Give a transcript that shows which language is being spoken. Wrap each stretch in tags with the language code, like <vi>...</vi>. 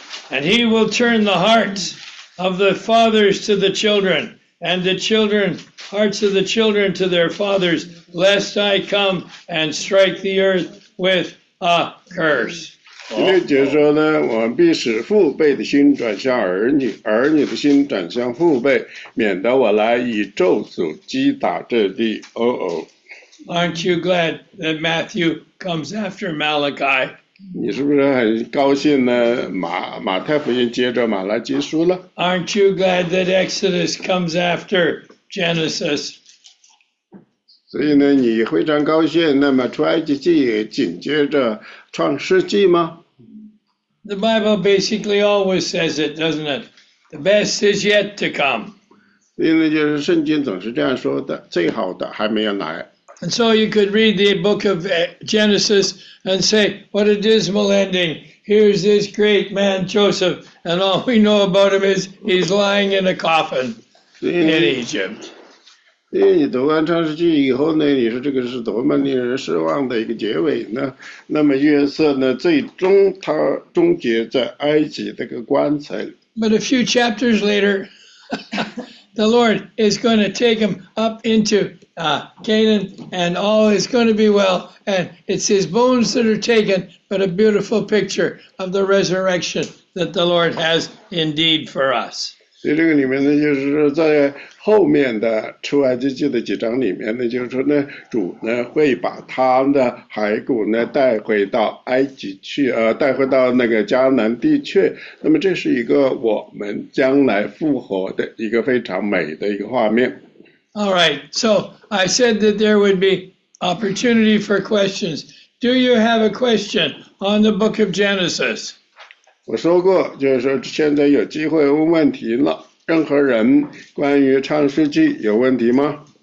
<en>And he will turn the hearts of the fathers to the children. And the children, hearts of the children to their fathers, lest I come and strike the earth with a curse.</en> <zh>第六节说呢，我们必使父辈的心转向儿女，儿女的心转向父辈，免得我来以咒诅击打这地。</zh> <en>Aren't you glad that Matthew comes after Malachi?</en> <zh>你是不是很高兴呢？马太福音接着马拉基书了。</zh> <en>Aren't you glad that Exodus comes after Genesis?</en> <zh>所以呢，你非常高兴。那么出埃及记紧接着创世纪吗</zh> <en>？The Bible basically always says it, doesn't it? The best is yet to come.</en> <zh>所以呢，就是圣经总是这样说的，最好的还没有来。</zh> <en>And so you could read the book of Genesis and say, what a dismal ending. Here's this great man, Joseph, and all we know about him is he's lying in a coffin in Egypt.</en> <zh>因为你读完创世纪以后呢，你说这个是多么令人失望的一个结尾呢？那么约瑟呢，最终他终结在埃及这个棺材。</zh> <en>But a few chapters later, the Lord is going to take him up into Canaan, and all is going to be well, and it's his bones that are taken, but a beautiful picture of the resurrection that the Lord has indeed for us.</en> <zh>所以这个里面呢，就是说在后面的出埃及记的几章里面呢，就是说呢，主呢会把他的骸骨呢带回到埃及去，带回到那个迦南地去。那么这是一个我们将来复活的一个非常美的一个画面。</zh> <en>All right, so I said that there would be opportunity for questions. Do you have a question on the book of Genesis?</en> <zh>我说过，就是说现在有机会问问题了。任何人关于创世纪有问题吗？</zh>